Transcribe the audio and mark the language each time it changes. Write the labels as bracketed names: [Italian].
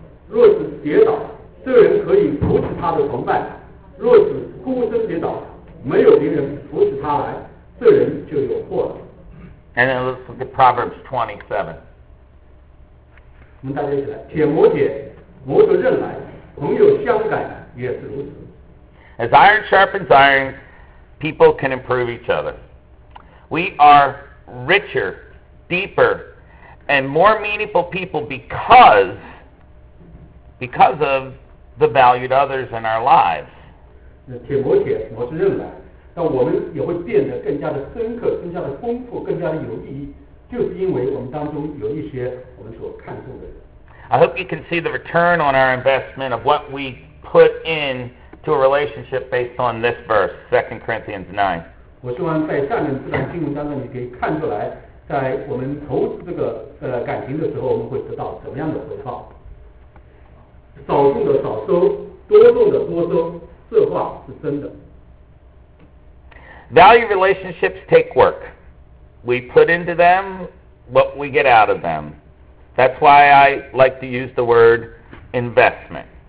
[Chinese] 若是跌倒，这人可以扶持他的同伴；若是孤身跌倒，没有别人扶持他来，这人就有祸了。 [English] And then let's look at Proverbs 27. [Chinese] 我们大家一起来，铁磨铁，磨出刃来。朋友相感也是如此。 [English] As iron sharpens iron, people can improve each other. We are richer, deeper, and more meaningful people because of the value to others in our lives. [Chinese] 铁磨铁，磨出刃来，但我们也会变得更加的深刻，更加的丰富，更加的有意义，就是因为我们当中有一些我们所看重的人。 [English] I hope you can see the return on our investment of what we put in to a relationship based on this verse, 2 Corinthians 9. [Chinese] 我希望在下面这段经文当中，你可以看出来，在我们投资这个感情的时候，我们会得到怎么样的回报。少种的少收，多种的多收，这话是真的。 [English] Value relationships take work. We put into them what we get out of them. That's why I like to use the word investment.